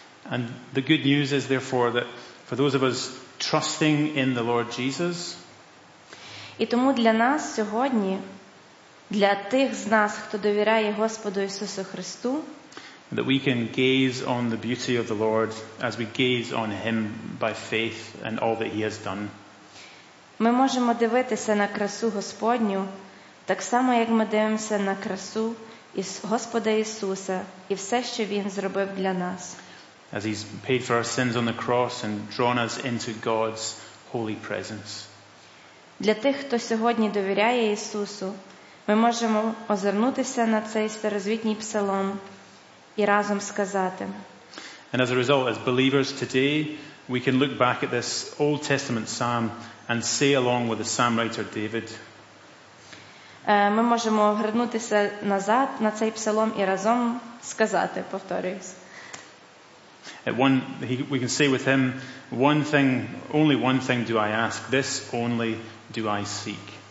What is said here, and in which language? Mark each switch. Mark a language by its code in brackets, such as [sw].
[en] And the good news is, therefore, that for those of us trusting in the Lord Jesus, [uk] і тому для нас сьогодні, для тих з нас, хто довіряє Господу Ісусу Христу, [en] that we can gaze on the beauty of the Lord as we gaze on Him by faith and all that He has done. [uk] Ми можемо дивитися на красу Господню так само, як ми дивимося на красу Господа Ісуса і все, що Він зробив для нас. [en] As He's paid for our sins on the cross and drawn us into God's holy presence. [uk] Для тих, хто сьогодні довіряє Ісусу, ми можемо озирнутися на цей старозвітній псалом і разом сказати. [en] And as a result, as believers today, we can look back at this Old Testament psalm and say along with the psalm writer David. [uk] Ми можемо огорнутися назад на цей псалом і разом сказати, повторюсь. [en] We can say with him, one thing, only one thing do I ask, this only do I seek.